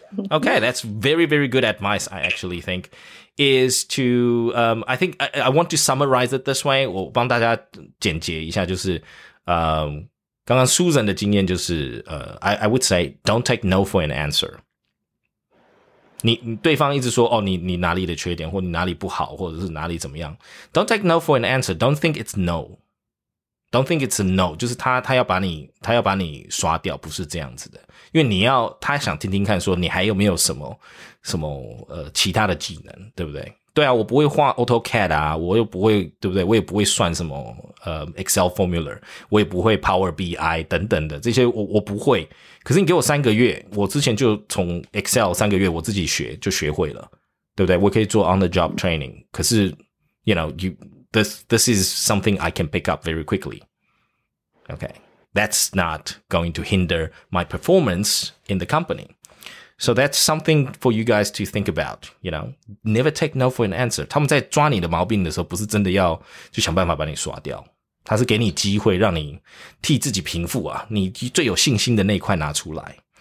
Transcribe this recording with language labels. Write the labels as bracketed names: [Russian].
[English] Okay, that's very, very good advice, I actually think, is to, I think I want to summarize it this way. [Chinese] 我帮大家简洁一下，就是刚刚 Susan 的经验就是 [English] I would say, don't take no for an answer. [Chinese] 你对方一直说哦，你哪里的缺点，或你哪里不好，或者是哪里怎么样。 [English] Don't take no for an answer. Don't think it's no. Don't think it's a no, [Chinese] 就是他要把你刷掉，不是这样子的。因为你要，他想听听看说你还有没有什么其他的技能，对不对？对啊，我不会画 AutoCAD 啊，我又不会，对不对？我也不会算什么Excel formula, 我也不会 Power BI 等等的，这些我不会。可是你给我三个月，我之前就从 Excel 三个月我自己学，就学会了，对不对？我可以做 on the job training, 可是 [English] you know, you,This is something I can pick up very quickly. Okay. That's not going to hinder my performance in the company. So that's something for you guys to think about, you know. Never take no for an answer. [Chinese] 他们在抓你的毛病的时候不是真的要就想办法把你刷掉。他是给你机会让你替自己平复啊。你最有信心的那一块拿出来。